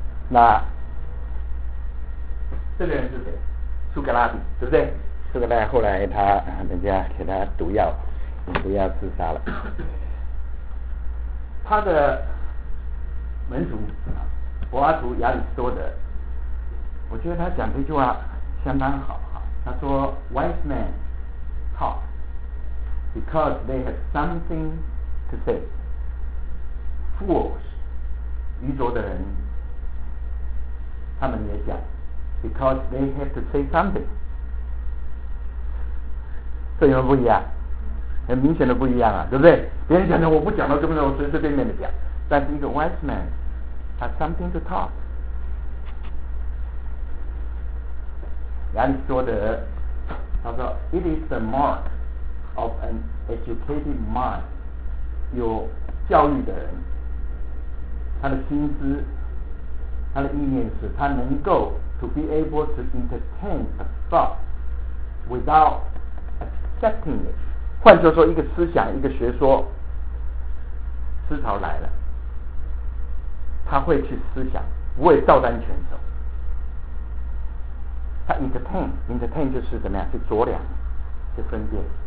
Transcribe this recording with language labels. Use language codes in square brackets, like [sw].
[zh] 那这个人是谁？苏格拉底，对不对？苏格拉后来他人家给他毒药，毒药自杀了。他的门徒柏拉图、亚里士多德，我觉得他讲这句话相当好哈。他说 [en] ：“Wise men talk because they have something to say. Fools, [zh] 愚拙的人。” 他们也讲 [en] because they have to say something， [zh] 这有什么不一样？很明显的不一样啊，对不对？别人讲的我不讲了，对不对？我随随便便的讲。但是一个 [en] wise man has something to talk。 [zh] 亚里士多德他说 [en] it is the mark of an educated mind， [zh] 有教育的人他的心思，他的意念是他能够 [en] to be able to entertain a thought without accepting it。 [zh] 换作说一个思想，一个学说思潮来了，他会去思想，不会照单全收。他 entertain 就是怎么样去酌量去分辨。